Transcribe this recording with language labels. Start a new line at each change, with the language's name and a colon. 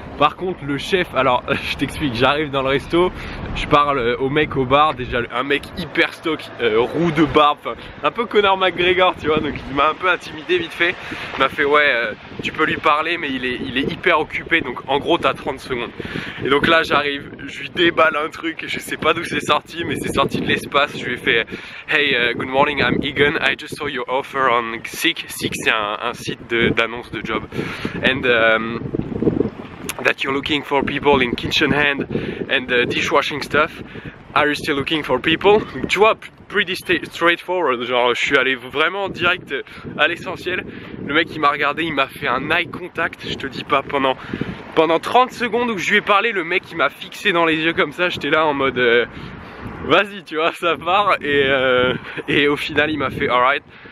French: Par contre, le chef, alors je t'explique, j'arrive dans le resto, je parle au mec au bar, déjà un mec hyper stock, roux de barbe, un peu Conor McGregor, tu vois, donc il m'a un peu intimidé vite fait. Il m'a fait, ouais, tu peux lui parler, mais il est hyper occupé, donc en gros, t'as 30 secondes. Et donc là, j'arrive, je lui déballe un truc, je sais pas d'où c'est sorti, mais c'est sorti de l'espace. Je lui ai fait,
English: hey, good morning, I'm Egan, I just saw your offer on Seek.
French: Seek, c'est un site d'annonce de job.
English: And, that you're looking for people in kitchen hand and dishwashing stuff. Are you still looking for people?
French: Tu vois,
English: pretty straightforward.
French: Genre, je suis allé vraiment direct à l'essentiel. Le mec, il m'a regardé, il m'a fait un eye contact. Je te dis pas, pendant 30 secondes où je lui ai parlé, le mec, il m'a fixé dans les yeux comme ça. J'étais là en mode, vas-y, tu vois, ça part. Et au final, il m'a fait, alright.